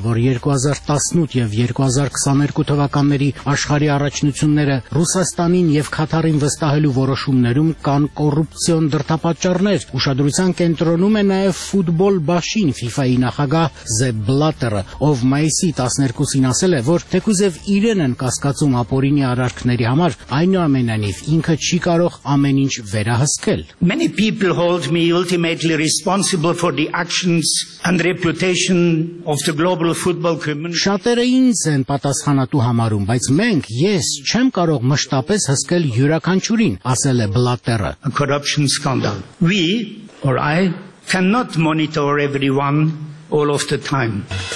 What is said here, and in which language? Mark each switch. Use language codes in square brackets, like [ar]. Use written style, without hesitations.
[hy] 2018 եւ 2022 թվականների աշխարհի առաջնությունները Ռուսաստանին եւ Քաթարին վստահելու որոշումներում կան կոռուպցիոն դրդապատճառներ։ Ուշադրության կենտրոնում է նաեւ ֆուտբոլ բաշին FIFA-ի նախագահ Ζեփ Բլատերը, ով մայիսի 12-ին ասել է, որ թեկուզև իրեն են կասկածում ապօրինի առարկների համար, այնուամենայնիվ ինքը չի կարող ամեն ինչ վերահսկել։ [en] Many people hold me ultimately responsible for the actions and reputation of the global football community. [hy] Շատերը ինձ են պատասխանատու համարում, բայց մենք ես չեմ կարող մշտապես հսկել յուրաքանչյուրին, ասել է Բլատերը։ [en] A corruption scandal. We or I cannot monitor everyone all of the time.